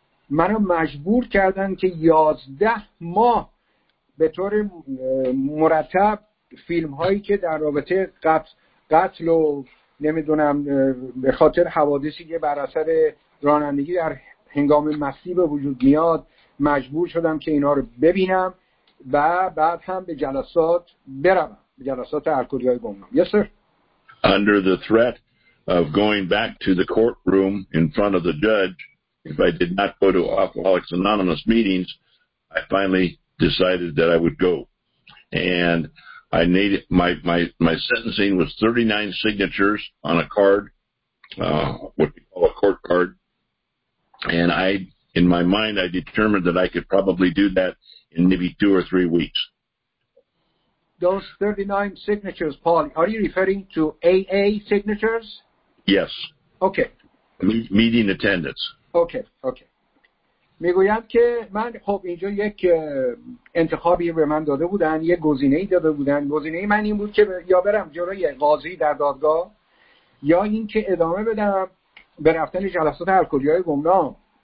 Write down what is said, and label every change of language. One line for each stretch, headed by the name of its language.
Persian: منو مجبور کردن که 11 ماه به طور مرتب فیلم هایی که در رابطه قتل و نمیدونم به خاطر حوادثی که بر اثر رانندگی در هنگام مستی به وجود میاد مجبور شدم که اینا رو ببینم و بعد هم به جلسات بروم، به جلسات الکلی‌های گمنام.
English: Yes, sir. Under the threat of going back to the courtroom in front of the judge if I did not go to Alcoholics Anonymous meetings, I finally decided that I would go. And I needed my sentencing was 39 signatures on a card, what we call a court card. And in my mind, I determined that I could probably do that in maybe 2 or 3 weeks. Those 39 signatures, Paul, are you referring to AA signatures? Yes. Okay. Meeting attendance. Okay.
Persian: میگویند که من خب اینجا یک انتخابی به من داده بودن، یک گزینه‌ای داده بودن. گزینه من این بود که یا برم جلوی قاضی در دادگاه یا اینکه ادامه بدم به رفتن جلسات الکلی‌های گمنام.